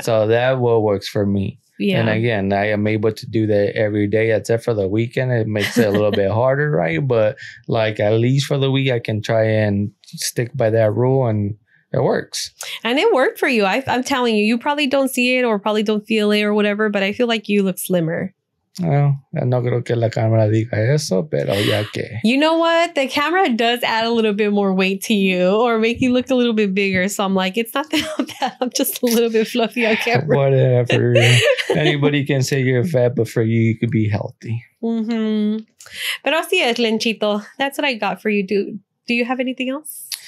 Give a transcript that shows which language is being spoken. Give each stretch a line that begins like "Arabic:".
English: So that what works for me. Yeah. And again, I am able to do that every day except for the weekend. It makes it a little bit harder, right? But like at least for the week, I can try and stick by that rule and it works. And it worked for you. I'm telling you, you probably don't see it or probably don't feel it or whatever, but I feel like you look slimmer.
Spanish: Well, no creo que la cámara diga eso, pero ya que.
English: You know what? The camera does add a little bit more weight to you or make you look a little bit bigger. So I'm like, it's not that I'm just a little bit fluffy on camera. Whatever. Anybody can say you're fat, but for you, you could be healthy.
Spanish: Mm-hmm. Pero así es, Lenchito.
English: That's what I got for you, dude. Do you have anything else?